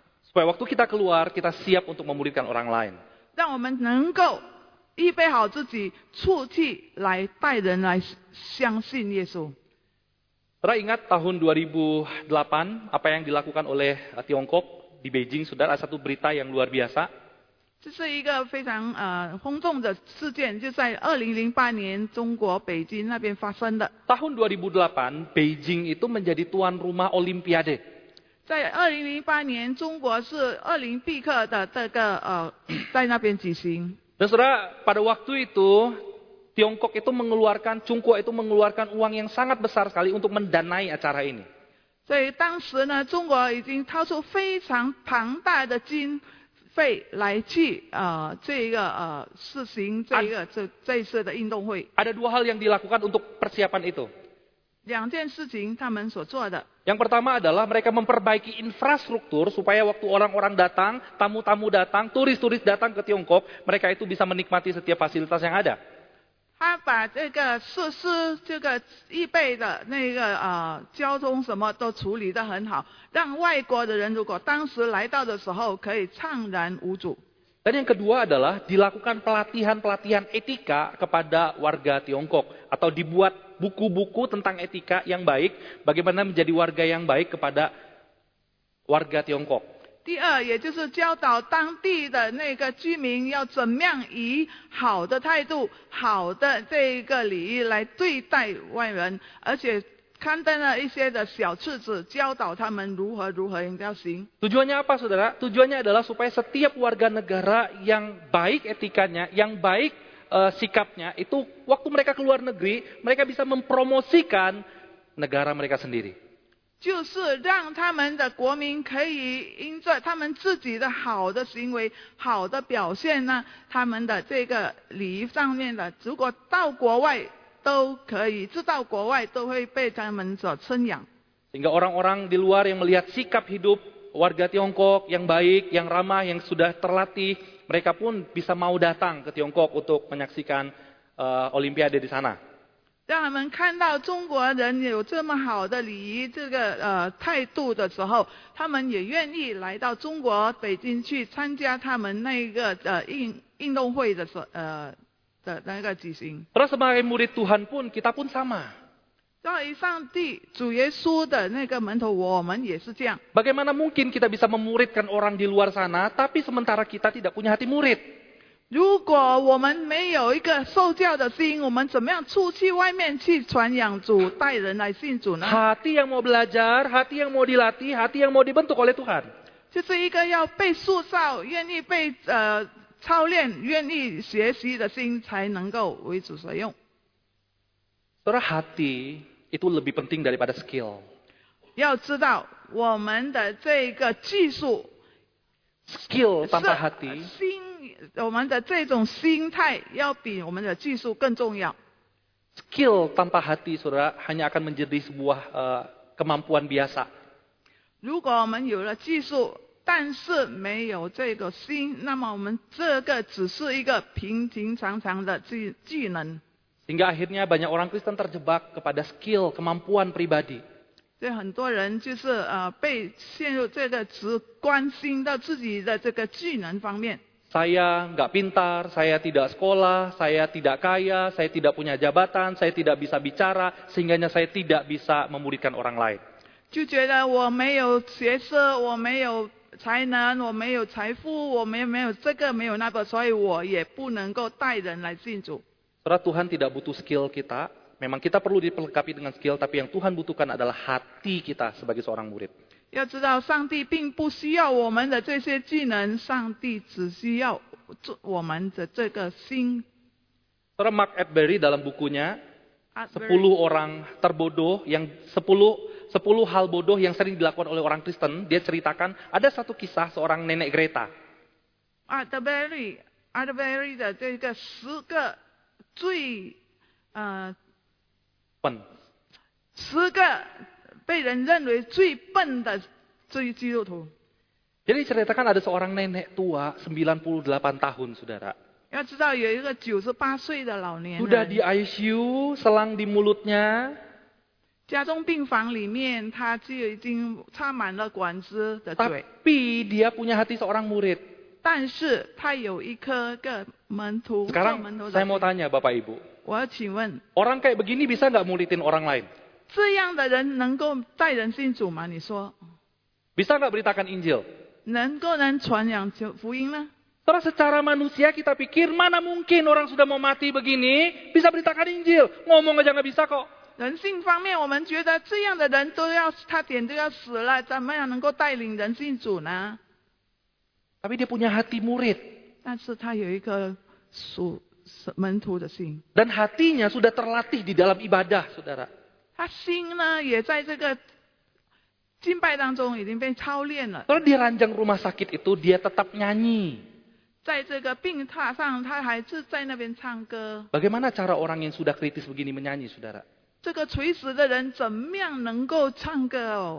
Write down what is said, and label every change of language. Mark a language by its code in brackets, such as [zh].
[id] Supaya waktu kita keluar, kita siap untuk memuridkan orang lain. [zh] 让我们能够预备好自己，出去来带人来相信耶稣。 [id] Saudara ingat tahun 2008, apa yang dilakukan oleh Tiongkok di Beijing, saudara, ada satu berita yang luar biasa. [zh] 这是一个非常轰动的事件，就在2008年中国北京那边发生的。 [id] Tahun 2008, Beijing itu menjadi tuan rumah Olimpiade. [zh] 在2008年，中国是2008的这个在那边举行。 [id] Dan saudara, pada waktu itu,Tiongkok itu mengeluarkan, Cungkuo itu mengeluarkan uang yang sangat besar sekali untuk mendanai acara ini. [zh] 所以当时呢，中国已经掏出非常庞大的经费来去这个实行这个这次的运动会。 [id] Ada dua hal yang dilakukan untuk persiapan itu. [zh] 两件事情他们所做的。 [id] Yang pertama adalah mereka memperbaiki infrastruktur supaya waktu orang-orang datang, tamu-tamu datang, turis-turis datang ke Tiongkok, mereka itu bisa menikmati setiap fasilitas yang ada. [zh] 他把这个设施、这个预备的那个交通什么都处理得很好，让外国的人如果当时来到的时候可以畅然无阻。 [id] Dan yang kedua adalah dilakukan pelatihan-pelatihan etika kepada warga Tiongkok atau dibuat buku-buku tentang etika yang baik, bagaimana menjadi warga yang baik kepada warga Tiongkok. [zh] 第二，也就是教导当地的那个居民要怎么样以好的态度、好的这个礼仪来对待外人，而且刊登了一些的小册子，教导他们如何如何应该行。 [id] Tujuannya apa, saudara? Tujuannya adalah supaya setiap warga negara yang baik etikanya, yang baik sikapnya, itu waktu mereka keluar negeri, mereka bisa mempromosikan negara mereka sendiri. [zh] 就是让他们的国民可以因着他们自己的好的行为、好的表现呢，他们的这个礼仪上面的，如果到国外都可以，知道国外都会被他们所称扬。 [id] Sehingga orang-orang di luar yang melihat sikap hidup warga Tiongkok yang baik, yang ramah, yang sudah terlatih, mereka pun bisa mau datang ke Tiongkok untuk menyaksikan Olimpiade di sana. [zh] 让他们看到中国人有这么好的礼仪这个态度的时候，他们也愿意来到中国北京去参加他们那个运动会的那个举行。 [id] Terus sebagai murid Tuhan pun kita pun sama. [zh] 作为上帝主耶稣的那个门徒，我们也是这样。 [id] Bagaimana mungkin kita bisa memuridkan orang di luar sana, tapi sementara kita tidak punya hati murid? [zh] 如果我们没有一个受教的心，我们怎么样出去外面去传扬主，带人来信主呢？ [id] Hati yang mau belajar, hati yang mau dilatih, hati yang mau dibentuk oleh Tuhan. [zh] 就是一个要被塑造，愿意被操练，愿意学习的心，才能够为主所用。 [id] Saudara, hati itu lebih penting daripada skill. [zh] 要知道我们的这个技术。 [id] Skill tanpa hati. [zh] 心我们的这种心态要比我们的技术更重要。 [id] Skill tanpa hati, saudara, hanya akan menjadi sebuah kemampuan biasa. [zh] 如果我们有了技术，但是没有这个心，那么我们这个只是一个平平常常的技能。 [id] Sehingga akhirnya banyak orang Kristen terjebak kepada skill kemampuan pribadi. [zh] 所以很多人就是被陷入这个只关心到自己的这个技能方面。 [id] Saya enggak pintar, saya tidak sekolah, saya tidak kaya, saya tidak punya jabatan, saya tidak bisa bicara, sehingganya saya tidak bisa memuridkan orang lain. [zh] 就觉得我没有学识，我没有才能，我没有财富，我没有这个，没有那个，所以我也不能够带人来信主。 [id] Saudara, Tuhan tidak butuh skill kita. Memang kita perlu diperlengkapi dengan skill, tapi yang Tuhan butuhkan adalah hati kita sebagai seorang murid. [zh] 要知道，上帝并不需要我们的这些技能，上帝只需要我们的这个心。 [id] Saudara, Mark Atbery dalam bukunya 10 orang terbodoh yang 10 hal bodoh yang sering dilakukan oleh orang Kristen, dia ceritakan ada satu kisah seorang nenek Greta. [zh] Atbery 的这个十个最笨，十个被人认为最笨的最基督徒。 [id] Jadi ceritakan ada seorang nenek tua 98 tahun, saudara. [zh] 要知道有一个98岁的老年人。 [id] Sudah di ICU, selang di mulutnya. [zh] 家中病房里面，他就已经插满了管子的嘴。 [id] Tapi dia punya hati seorang murid. [zh] 但是他有一颗个门徒。 [id] Sekarang saya mau tanya bapak ibu. [zh] 我要请问。 [id] Orang kayak begini bisa nggak muridin orang lain? [zh] 这样的人能够带人信主吗？你说。 [id] Bisa nggak beritakan Injil? [zh] 能传扬福音呢？ [id] Terus secara manusia kita pikir mana mungkin orang sudah mau mati begini bisa beritakan Injil? Ngomong aja nggak bisa kok. [zh] 人性方面，我们觉得这样的人都要差点就要死了，怎么样能够带领人信主呢？ [id] Tapi dia punya hati murid. [zh] 但是他有一个属门徒的心。 [id] Dan hatinya sudah terlatih di dalam ibadah, saudara. [zh] 他心呢也在这个敬拜当中已经被操练了。 [id] Terus di ranjang rumah sakit itu dia tetap nyanyi. [zh] 在这个病榻上，他还是在那边唱歌。 [id] Bagaimana cara orang yang sudah kritis begini menyanyi, saudara? [zh] 这个垂死的人怎么样能够唱歌哦？